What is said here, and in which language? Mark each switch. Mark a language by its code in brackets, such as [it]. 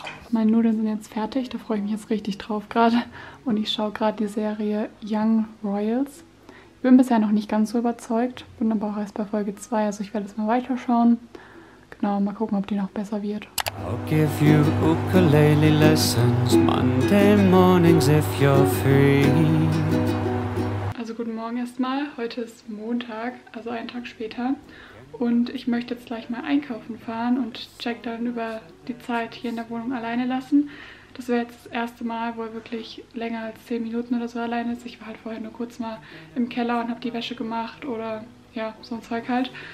[de] Meine Nudeln sind jetzt fertig, da freue ich mich jetzt richtig drauf gerade. Und ich schaue gerade die Serie Young Royals. Ich bin bisher noch nicht ganz so überzeugt, bin aber auch erst bei Folge 2, also ich werde es mal weiterschauen. Genau, mal gucken, ob die noch besser wird. [en] I'll give you ukulele lessons Monday mornings if you're free. [de] Also guten Morgen erstmal, heute ist Montag, also einen Tag später. Und ich möchte jetzt gleich mal einkaufen fahren und Jack dann über die Zeit hier in der Wohnung alleine lassen. Das wäre jetzt das erste Mal, wo er wirklich länger als 10 Minuten oder so alleine ist. Ich war halt vorher nur kurz mal im Keller und habe die Wäsche gemacht oder ja, so ein Zeug halt.